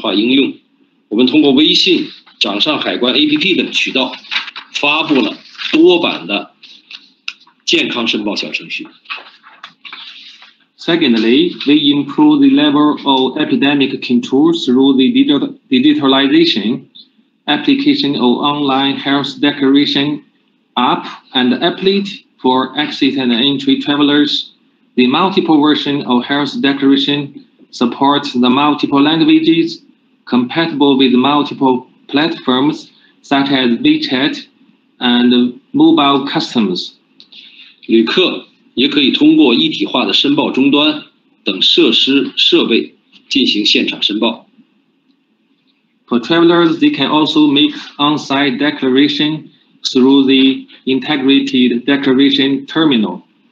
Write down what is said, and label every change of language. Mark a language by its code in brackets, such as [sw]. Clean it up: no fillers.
[zh] 推动入境人员健康申报多渠道的电子化应用，我们通过微信、掌上海关 APP 等渠道，发布了多版的健康申报小程序。 [en] Secondly, we improve the level of epidemic control through the digitalization application of online health declaration app and applet for exit and entry travelers. The multiple version of health declaration supports the multiple languages compatible with multiple platforms such as WeChat and mobile customs. [zh] 旅客也可以通过一体化的申报终端等设施设备进行现场申报。 [en] For travelers, they can also make on-site declaration through the integrated declaration terminal.